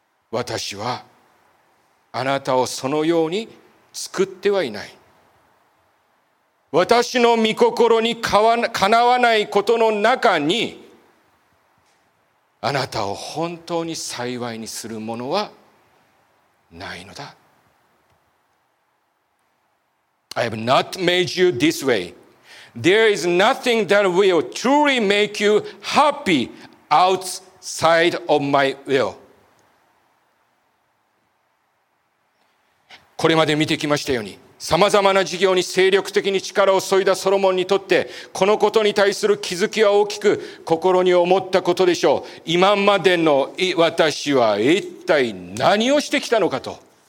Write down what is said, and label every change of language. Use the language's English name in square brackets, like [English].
[Japanese] 私はあなたをそのように作ってはいない。私の御心にかなわないことの中に、あなたを本当に幸いにするものはないのだ。 [English] I have not made you this way. There is nothing that will truly make you happy outside of my will. [Japanese] これまで見てきましたように、様々な事業に精力的に力を注いだソロモンにとって、このことに対する気づきは大きく心に思ったことでしょう。今までの私は一体何をしてきたのかと。